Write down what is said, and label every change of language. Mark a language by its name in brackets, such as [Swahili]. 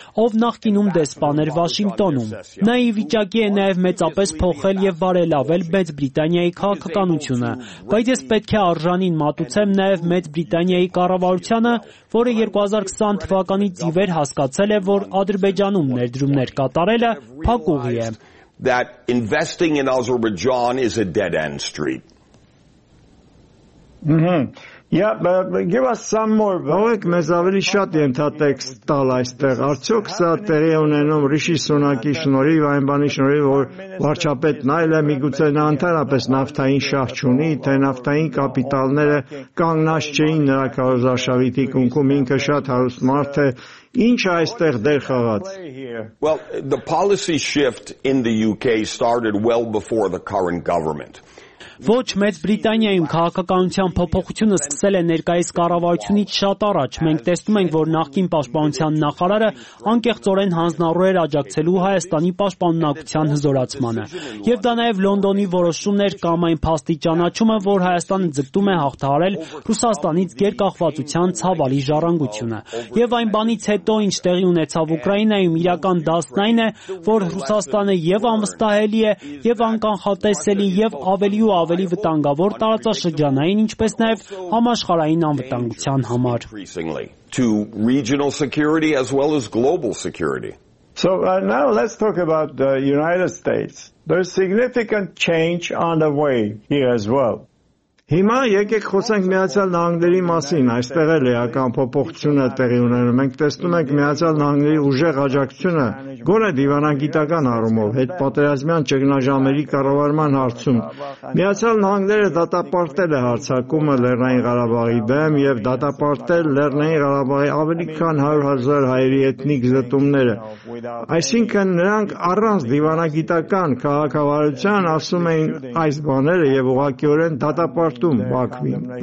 [Armenian] ով նախկինում դեսպան էր Վաշինգտոնում։ Նա ի վիճակի է նաեւ մեծապես փոխել եւ բարելավել Մեծ Բրիտանիայի քաղաքականությունը, բայց ես պետք է արժանին մատուցեմ նաև Մեծ Բրիտանիայի կառավարությանը, որը 2020 թվականի ծիվեր հասկացել է, որ Ադրբեջանում ներդրումներ կատարելը փակուղի է։ [English] That investing in Azerbaijan is a dead end street. Mm-hmm. Yeah, but give us some more. [Armenian] Բայց մեզ ավելի շատ ենթատեք տալ այստեղ։ Արդյոք սա տեղի ունենում Ռիշի Սունակի շնորհիվ, այն բանի շնորհիվ, որ վարչապետ Նայլը միգուցե նանթարապես նավթային շահ չունի, թե նավթային կապիտալները կանգնած չէին նրա կարոզարշավիթի կունքում, ինքը շատ հարուստ մարդ է, ինչ այստեղ դեր խաղաց։ [English] Well, the policy shift in the UK started well before the current government. [Armenian] Ոչ, Մեծ Բրիտանիայում քաղաքականության փոփոխությունը սկսել է ներկայիս կառավարությունից շատ առաջ։ Մենք տեսնում ենք, որ նախկին պաշտպանության նախարարը անկեղծորեն հանձնարարում էր աջակցելու Հայաստանի պաշտպանունակության հզորացմանը, եւ դա նաեւ Լոնդոնի որոշումներ կամ այն փաստի ճանաչումը, որ Հայաստանը ձգտում է հաղթահարել Ռուսաստանից գերկախվածության ցավալի ժառանգությունը։ Եվ այն բանից հետո, ինչ տեղի ունեցավ Ուկրաինայում, իրական դասն այն է, որ Ռուսաստանը եւ անվստահելի է, եւ անկանխատեսելի, եւ ավելի ու ավելի վտանգավոր տարածաշրջանային, ինչպես նաև համաշխարհային անվտանգության համար։ [English] To regional security as well as global security. So now let's talk about the United States. There's significant change on the way here as well. [Armenian] Հիմա եկեք խոսենք Միացյալ Նահանգների մասին, այստեղ էլ էական փոփոխություն է տեղի ունենում։ Մենք տեսնում ենք Միացյալ Նահանգների ուժեղ աջակցությունը գոնե դիվանագիտական առումով հետ պատերազմյան ճգնաժամերի կառավարման հարցում։ Միացյալ Նահանգները դատապարտել է հարձակումը Լեռնային Ղարաբաղի դեմ եւ դատապարտել Լեռնային Ղարաբաղի ավելի քան 100 000 հայերի էթնիկ զտումները։ Այսինքն նրանք առանց դիվանագիտական քաղաքավարության ասում էին այս բաները եւ ուղղակիորեն դատապարտել պարտում Բաքվին,